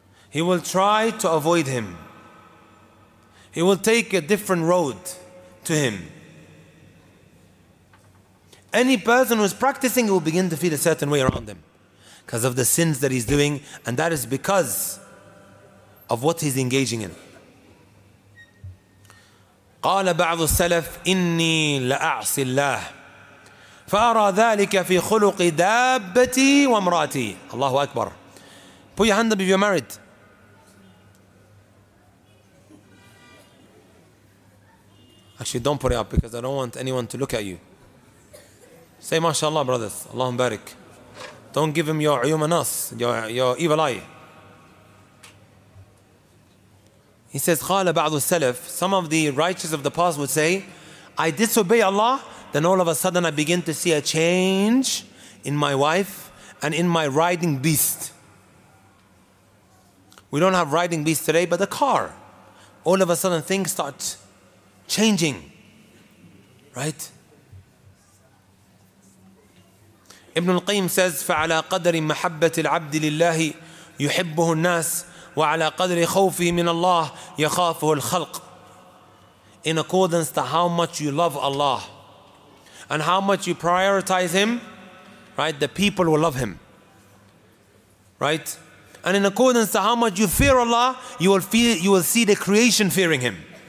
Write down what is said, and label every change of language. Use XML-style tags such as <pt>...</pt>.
<en>He will try to avoid him. He will take a different road to him. Any person who's practicing will begin to feel a certain way around him because of the sins that he's doing, and that is because of what he's engaging in.</en> <ar>قال بعض السلف إني لأعصي الله فأرى ذلك في خلق دابتي وامرأتي. الله أكبر.</ar> <en>Put your hand up if you're married. Actually, don't put it up because I don't want anyone to look at you. Say mashallah, brothers. Allahum barik. Don't give him your ayumanas, your evil eye. He says,</en> <ar>قَالَ بَعْضُ السَّلَفِ.</ar> <en>Some of the righteous of the past would say, I disobey Allah, then all of a sudden I begin to see a change in my wife and in my riding beast. We don't have riding beasts today, but the car. All of a sudden things start changing. Right? Ibn al-Qayyim says,</en> <ar>فَعَلَى قَدْرِ مَحَبَّةِ الْعَبْدِ لِلَّهِ يُحِبُّهُ النَّاسِ وَعَلَى قَدْرِ خَوْفِي مِنَ اللَّهِ يَخَافُهُ الْخَلْقِ.</ar> <en>In accordance to how much you love Allah and how much you prioritize Him, right, the people will love Him. Right? And in accordance to how much you fear Allah, you will feel, you will see the creation fearing Him.</en>